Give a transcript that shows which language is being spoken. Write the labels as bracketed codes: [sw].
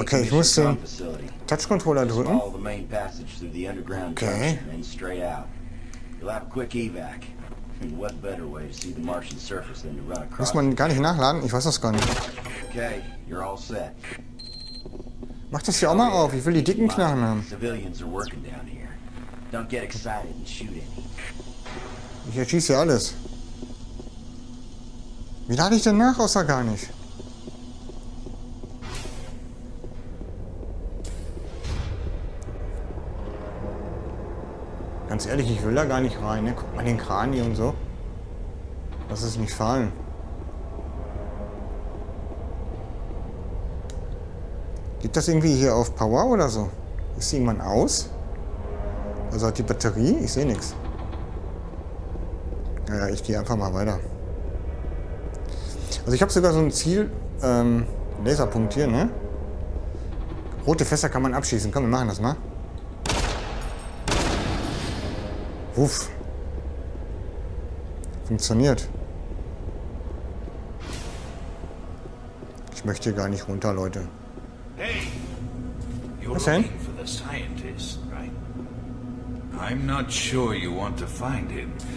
[de] okay, ich muss den Touch Controller drücken. [en] Follow the main passage through the underground okay. And straight out. You'll have a quick evac. And what better way to see the Martian surface than to run across? [de] Muss man gar nicht nachladen? Ich weiß das gar nicht. [en] Okay, you're all set. [de] Mach das hier auch mal auf. Ich will die dicken Knarren haben. [en] Civilians are working down here. Don't get excited and shoot any. [de] Ich erschieße alles. Wie lade ich denn nach, außer gar nicht? Ganz ehrlich, ich will da gar nicht rein, ne? Guck mal den Kran hier und so. Lass es nicht fallen. Geht das irgendwie hier auf Power oder so? Ist jemand aus? Also hat die Batterie? Ich sehe nichts. Naja, ich gehe einfach mal weiter. Also ich habe sogar so ein Ziel, Laserpunkt hier, ne? Rote Fässer kann man abschießen. Komm, wir machen das mal. Wuff. Funktioniert. Ich möchte gar nicht runter, Leute. [en] Hey, you're looking for the scientist, right? I'm not sure you want to find him.